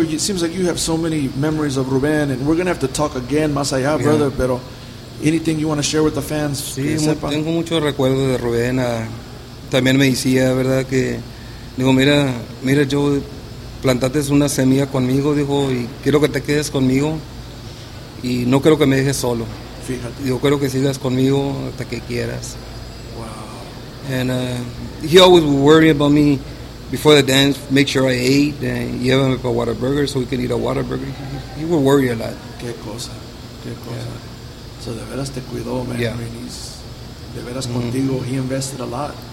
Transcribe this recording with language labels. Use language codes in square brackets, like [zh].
[en] It seems like you have so many memories of Ruben, and we're going to have to talk again, [es] más allá, [en] yeah. Brother, pero anything you want to share with the fans? [es] Sí, tengo muchos recuerdos de Ruben. También me decía, ¿verdad? Que, digo, mira, Joe, plantaste una semilla conmigo, dijo, y quiero que te quedes conmigo, y no quiero que me dejes solo. Fíjate. Yo quiero que sigas conmigo hasta que quieras. [en] Wow. And he always would worry about me before the dance, make sure I ate, and he gave me a Whataburger so we could eat a Whataburger. He would worry a lot. [es] Qué cosa. [en] Yeah. [es] So de veras te cuidó, man. [en] Yeah. I mean, he's, [es] de veras contigo, [en] he invested a lot.